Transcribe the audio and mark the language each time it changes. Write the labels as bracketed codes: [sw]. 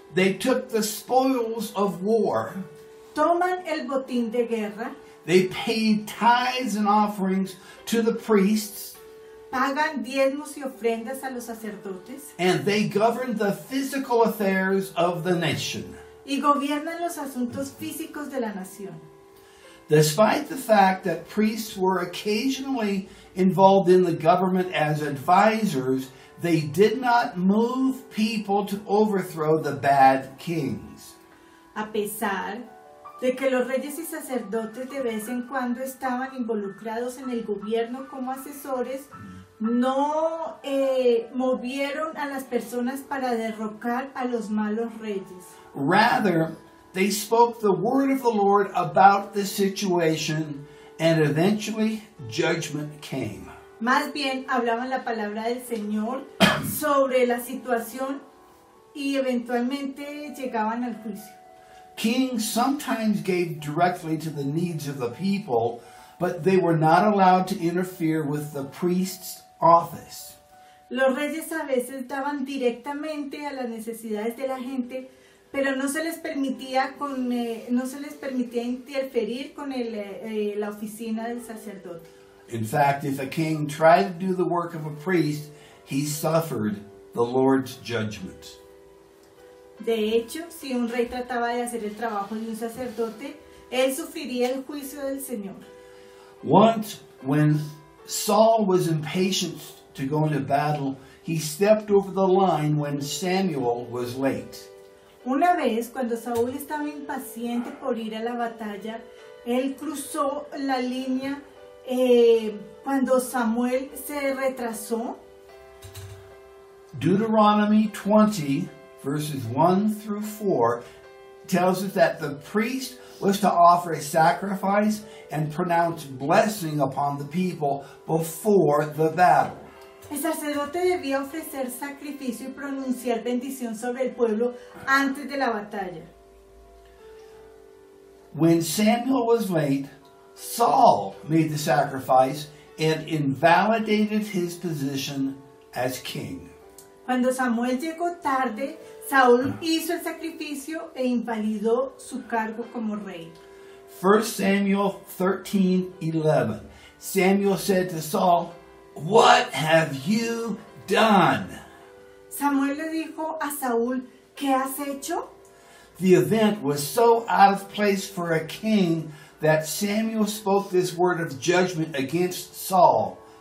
[en] They took the spoils of war. [es] Toman el botín de guerra. [en] They paid tithes and offerings to the priests. [es] Pagan diezmos y ofrendas a los sacerdotes. [en] And they governed the physical affairs of the nation. [es] Y gobiernan los asuntos físicos de la nación. [en] Despite the fact that priests were occasionally involved in the government as advisors, they did not move people to overthrow the bad kings. [es] A pesar de que los reyes y sacerdotes de vez en cuando estaban involucrados en el gobierno como asesores, no movieron a las personas para derrocar a los malos reyes. [en] Rather, they spoke the word of the Lord about the situation, and eventually judgment came. [es] Más bien, hablaban la palabra del Señor sobre la situación y eventualmente llegaban al juicio. [en] Kings sometimes gave directly to the needs of the people, but they were not allowed to interfere with the priest's office. [es] Los reyes a veces daban directamente a las necesidades de la gente, pero no se les permitía interferir con la oficina del sacerdote. [en] In fact, if a king tried to do the work of a priest, he suffered the Lord's judgment. [es] De hecho, si un rey trataba de hacer el trabajo de un sacerdote, él sufriría el juicio del Señor. [en] Once, when Saul was impatient to go into battle, he stepped over the line when Samuel was late. [es] Una vez, cuando Saúl estaba impaciente por ir a la batalla, él cruzó la línea cuando Samuel se retrasó. [en] Deuteronomy 20, verses 1 through 4, tells us that the priest was to offer a sacrifice and pronounce blessing upon the people before the battle. [es] El sacerdote debía ofrecer sacrificio y pronunciar bendición sobre el pueblo antes de la batalla. [en] When Samuel was late, Saul made the sacrifice and invalidated his position as king. [es] Cuando Samuel llegó tarde, Saúl hizo el sacrificio e invalidó su cargo como rey. [en] 1 Samuel 13:11. Samuel said to Saul, "What have you done?" [es] Samuel le dijo a Saúl, "¿Qué has hecho?" [en] The event was so out of place for a king that Samuel spoke this word of judgment against Saul.